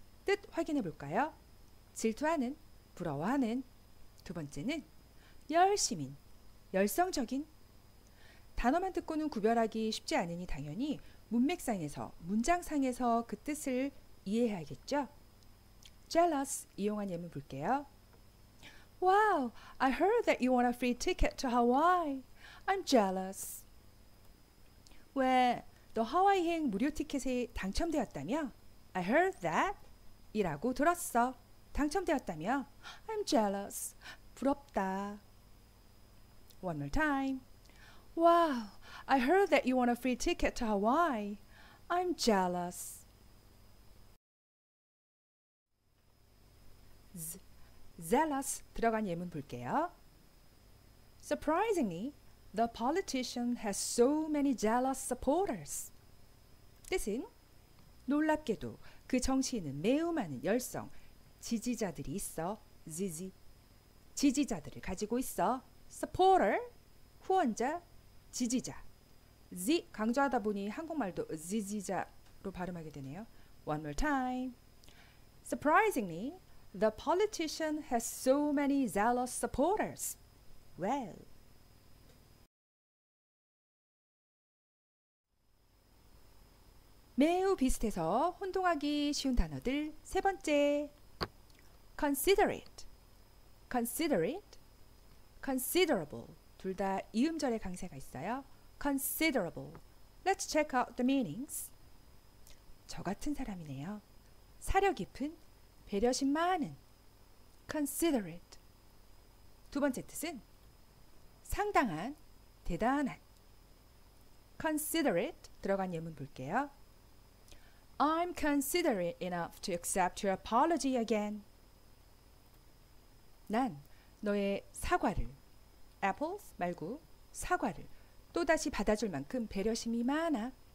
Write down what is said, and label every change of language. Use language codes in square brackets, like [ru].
[ko] 뜻 확인해 볼까요? 질투하는, 부러워하는. 두 번째는 열심인, 열성적인. 단어만 듣고는 구별하기 쉽지 않으니 당연히 문맥상에서, 문장상에서 그 뜻을 이해해야겠죠? Jealous 이용한 예문 볼게요. [en] Wow, I heard that you want a free ticket to Hawaii. I'm jealous. [ko] 왜, 너 하와이행 무료 티켓에 당첨되었다며? [en] I heard that. [ko] 이라고 들었어. 당첨되었다며? [en] I'm jealous. [ko] 부럽다. [en] One more time. Wow, I heard that you want a free ticket to Hawaii. I'm jealous. [ko] Zealous 들어간 예문 볼게요. [en] Surprisingly, the politician has so many jealous supporters. [ko] 뜻은 놀랍게도 그 정치인은 매우 많은 열성, 지지자들이 있어. 지지, 지지자들을 가지고 있어. Supporter, 후원자. 지지자. Z 강조하다 보니 한국말도 지지자로 발음하게 되네요. [en] One more time. Surprisingly, the politician has so many zealous supporters. Well. [ko] 매우 비슷해서 혼동하기 쉬운 단어들 세 번째. [en] Considerate. Considerate. Considerable. [ko] 둘 다 이음절의 강세가 있어요. [en] Considerable. Let's check out the meanings. [ko] 저 같은 사람이네요. 사려 깊은, 배려심 많은. Considerate. 두 번째 뜻은 상당한, 대단한. Considerate 들어간 예문 볼게요. [en] I'm considerate enough to accept your apology again. [ko] 난 너의 사과를 apples 말고 사과를 또다시 받아줄 만큼 배려심이 많아.